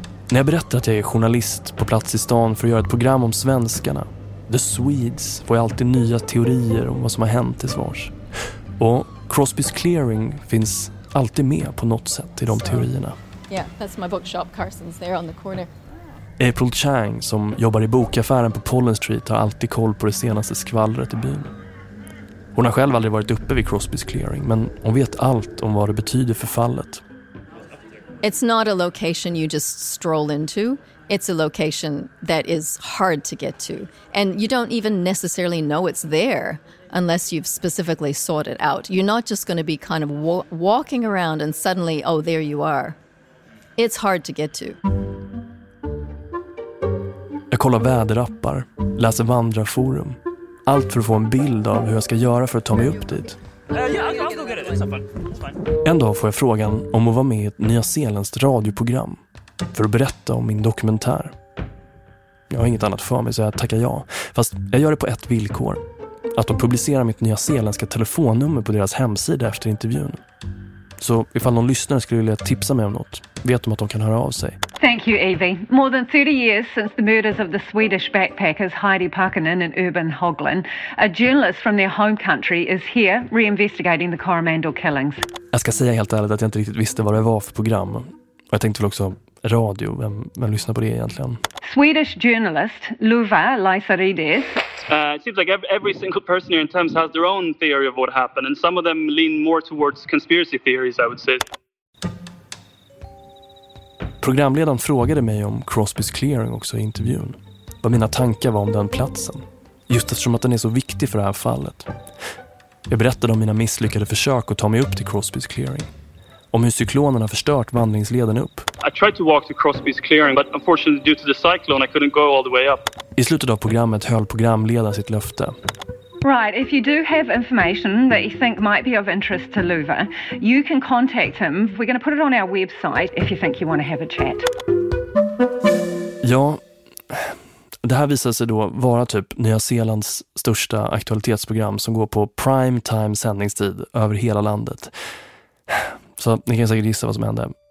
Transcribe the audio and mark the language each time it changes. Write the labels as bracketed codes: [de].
[sv] När jag berättar att jag är journalist på plats i stan för att göra ett program om svenskarna, The Swedes, får jag alltid nya teorier om vad som har hänt i svars. Och Crosby's Clearing finns alltid med på något sätt i de teorierna. [en] Yeah, that's my bookshop, Carson's there on the corner. [sv] April Chang, som jobbar i bokaffären på Pollen Street, har alltid koll på det senaste skvallret i byn. Hon har själv aldrig varit uppe vid Crosby's Clearing, men hon vet allt om vad det betyder för fallet. [en] It's not a location you just stroll into. It's a location that is hard to get to. And you don't even necessarily know it's there unless you've specifically sought it out. You're not just going to be kind of walking around and suddenly, oh, there you are. It's hard to get to. [sv] Jag kollar väderappar, läser vandrarforum. Allt för att få en bild av hur jag ska göra för att ta mig upp dit. En dag får jag frågan om att vara med i ett nyzeeländskt radioprogram för att berätta om min dokumentär. Jag har inget annat för mig så jag tackar ja. Fast jag gör det på ett villkor. att de publicerar mitt nya zeeländska telefonnummer på deras hemsida efter intervjun. Så ifall någon lyssnare skulle vilja tipsa mig om något, vet de att de kan höra av sig. [en] Thank you, Evie. More than 30 years since the murders of the Swedish backpackers Heidi Parkinen and Urban Hoglund, a journalist from their home country is here reinvestigating the Coromandel killings. [sv] Jag ska säga helt ärligt att jag inte riktigt visste vad det var för program. Och jag tänkte väl också radio. Vem lyssnar på det egentligen? [en] Swedish journalist Luva Lysarides. It seems like every single person here in Thames has their own theory of what happened, and some of them lean more towards conspiracy theories, I would say. [sv] Programledaren frågade mig om Crosby's Clearing också i intervjun. Vad mina tankar var om den platsen. Just eftersom att den är så viktig för det här fallet. Jag berättade om mina misslyckade försök att ta mig upp till Crosby's Clearing. Om hur cyklonen har förstört vandringsleden upp. [en] I tried to walk to Crosby's Clearing, but unfortunately due to the cyclone I couldn't go all the way up. [sv] I slutet av programmet höll programledaren sitt löfte. [en] Right, if you do have information that you think might be of interest to Luva, you can contact him. We're going to put it on our website if you think you want to have a chat. [sv] Ja, det här visar sig då vara typ Nya Zeelands största aktualitetsprogram som går på prime time sändningstid över hela landet. Så ni kan säkert gissa vad som hände.